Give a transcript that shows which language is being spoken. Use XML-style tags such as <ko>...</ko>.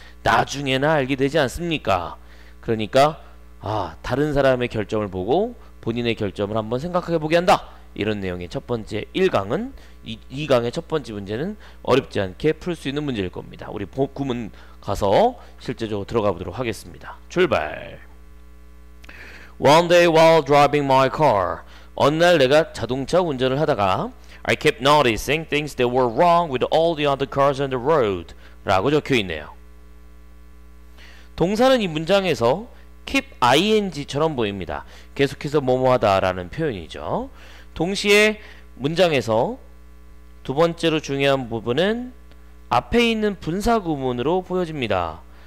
<ko>나중에나 알게 되지 않습니까? 그러니까 다른 사람의 결정을 보고 본인의 결정을 한번 생각하게 보게 한다. 이런 내용의 첫 번째 1강은 2강의 첫 번째 문제는 어렵지 않게 풀 수 있는 문제일 겁니다. 우리 구문 가서 실제적으로 들어가 보도록 하겠습니다. 출발.</ko> <en>One day while driving my car.</en> <ko>어느 날 내가 자동차 운전을 하다가</ko> <en>I kept noticing things that were wrong with all the other cars on the road.</en> <ko>라고 적혀 있네요. 동사는 이 문장에서 keep ing처럼 보입니다. 계속해서 뭐뭐하다 라는 표현이죠. 동시에 문장에서 두 번째로 중요한 부분은 앞에 있는 분사구문으로 보여집니다.</ko>